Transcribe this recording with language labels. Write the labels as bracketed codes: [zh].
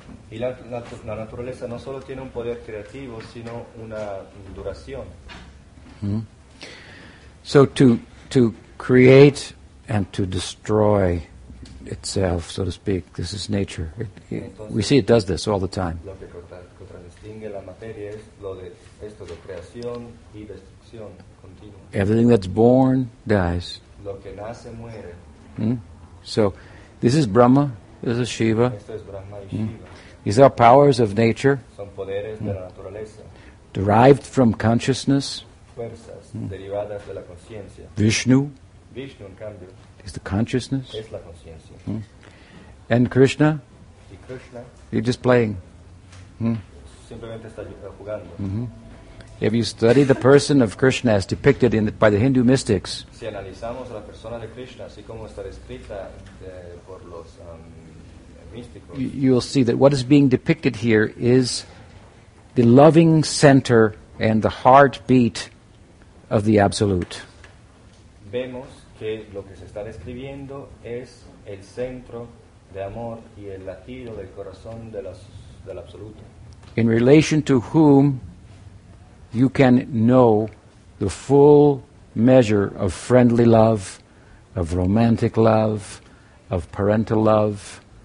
[es] Y la naturaleza no solo tiene un poder creativo, sino una duración. Mm-hmm. [en] So to create and to destroy itself, so to speak, this is nature. We see it does this all the time. [es] Lo que contradistingue la materia es lo de esto de creación y destrucción continua. [en] Everything that's born dies. [es] Lo que nace muere. [en] So this is Brahma, this is Shiva. [es] Esto es Brahma y Shiva. [en] These are powers of nature. [es] Son poderes de la naturaleza. [en] Derived from consciousness. [es] Fuerzas derivadas de la conciencia. [en] Vishnu, [es] en cambio, [en] is the consciousness. [es] Es la conciencia. [en] And Krishna? [es] Y Krishna? [en] You're just playing. [es] Simplemente está jugando. [en] If you study the person of Krishna as depicted by the Hindu mystics, [es] si analizamos la persona de Krishna, así como está descrita por los místicos, [en] you'll see that what is being depicted here is the loving center and the heartbeat of the absolute. [es] Vemos que lo que se está describiendo es el centro de amor y el latido del corazón del absoluto. [en] In relation to whom you can know the full measure of friendly love, of romantic love, of parental love.